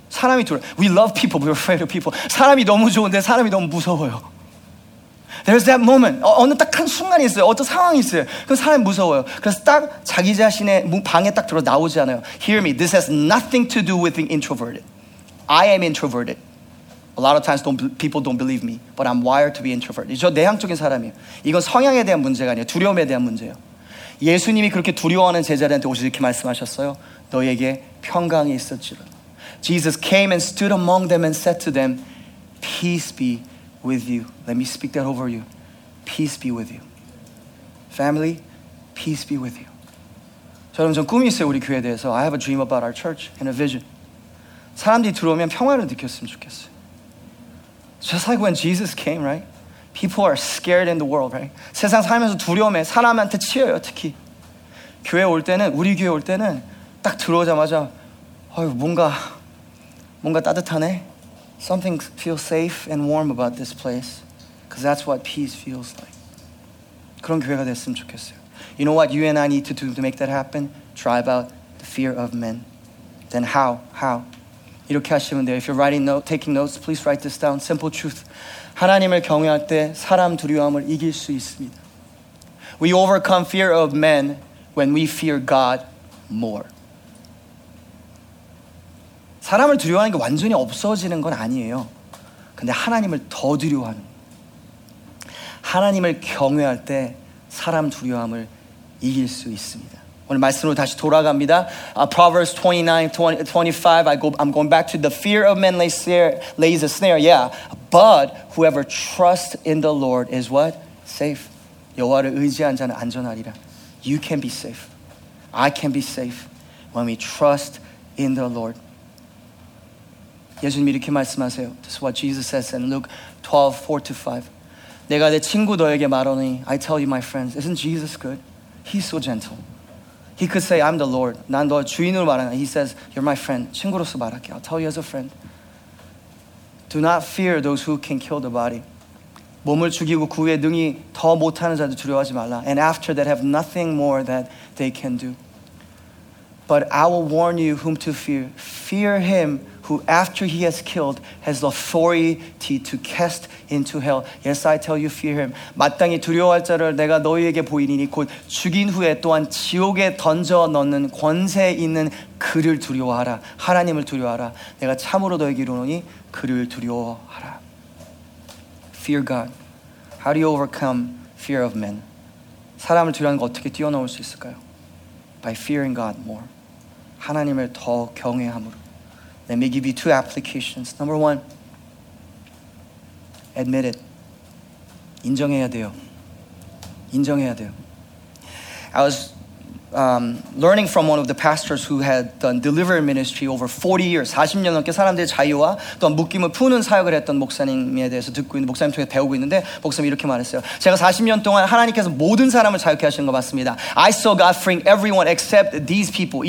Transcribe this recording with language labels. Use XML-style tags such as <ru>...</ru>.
<ko>사람이 두려워.</ko> <en>We love people, but we're afraid of people.</en> <ko>사람이 너무 좋은데 사람이 너무 무서워요.</ko> <en>There's that moment.</en> <ko>어느 딱 한 순간이 있어요. 어떤 상황이 있어요. 그럼 사람이 무서워요. 그래서 딱 자기 자신의 방에 딱 들어 나오지 않아요.</ko> <en>Hear me. This has nothing to do with being introverted. I am introverted. A lot of times people don't believe me. But I'm wired to be introverted.</en> <ko>저 내향적인 사람이에요. 이건 성향에 대한 문제가 아니에요. 두려움에 대한 문제예요. 예수님이 그렇게 두려워하는 제자들한테 오셔서 이렇게 말씀하셨어요. 너에게 평강이 있을지라.</ko> <en>Jesus came and stood among them and said to them, Peace be with you. Let me speak that over you. Peace be with you. Family, peace be with you.</en> <ko>저는 좀 꿈이 있어요, 우리 교회에 대해서.</ko> <en>I have a dream about our church and a vision.</en> <ko>사람들이 들어오면 평화를 느꼈으면 좋겠어요.</ko> <en>Just like when Jesus came, right? People are scared in the world, right?</en> <ko>세상 살면서 두려움에 사람한테 치여요, 특히. 교회 올 때는, 우리 교회 올 때는 딱 들어오자마자 어휴, 뭔가 따뜻하네.</ko> <en>Something feels safe and warm about this place because that's what peace feels like.</en> <ko>그런 교회가 됐으면 좋겠어요.</ko> <en>You know what you and I need to do to make that happen? Drive out the fear of men. Then how? How?</en> <ko>이렇게 하시면 돼요.</ko> <en>If you're taking notes, please write this down. Simple truth.</en> <ko>하나님을 경외할 때 사람 두려움을 이길 수 있습니다.</ko> <en>We overcome fear of men when we fear God more.</en> <ko>사람을 두려워하는 게 완전히 없어지는 건 아니에요. 근데 하나님을 더 두려워하는 하나님을 경외할 때 사람 두려움을 이길 수 있습니다. 오늘 말씀으로 다시 돌아갑니다.</ko> <en>Proverbs 29:25 I'm going back to the fear of men lays a snare. Yeah. But whoever trusts in the Lord is what? Safe.</en> <ko>여호와를 의지한 자는 안전하리라.</ko> <en>You can be safe. I can be safe when we trust in the Lord.</en> <ko>예수님이 이렇게 말씀하세요.</ko> <en>This is what Jesus says in Luke 12:4-5.</en> <ko>내가 내 친구 너에게 말하니,</ko> <en>I tell you, my friends, isn't Jesus good? He's so gentle. He could say, I'm the Lord.</en> <ko>난 너 주인으로 말하니.</ko> <en>He says, you're my friend.</en> <ko>친구로서 말할게.</ko> <en>I'll tell you as a friend. Do not fear those who can kill the body.</en> <ko>몸을 죽이고 그 후에 능히 더 못하는 자들 두려워하지 말라.</ko> <en>And after that, have nothing more that they can do. But I will warn you whom to fear. Fear him who after he has killed has the authority to cast into hell. Yes, I tell you, fear him.</en> <ko>마땅히 두려워할 자를 내가 너희에게 보이니니 곧 죽인 후에 또한 지옥에 던져 넣는 권세 있는 그를 두려워하라. 하나님을 두려워하라. 내가 참으로 너희에게 이르노니 그를 두려워하라.</ko> <en>Fear God. How do you overcome fear of men?</en> <ko>사람을 두려워하는 거 어떻게 뛰어넘을 수 있을까요?</ko> <en>By fearing God more.</en> <ko>하나님을 더 경외함으로.</ko> <en>Let me give you two applications. Number one, admit it.</en> <ko>인정해야 돼요. 인정해야 돼요.</ko> <en>I was learning from one of the pastors who had done delivery ministry over 40 years.</en> <ko>40년 넘게 사람들의 자유와 또 묶임을 푸는 사역을 했던 목사님에 대해서 듣고 있는 목사님 통해 배우고 있는데 목사님이 이렇게 말했어요. 제가 40년 동안 하나님께서 모든 사람을 자유케 하신 거 맞습니다.</ko> <en>I saw God freeing everyone except these people.</en>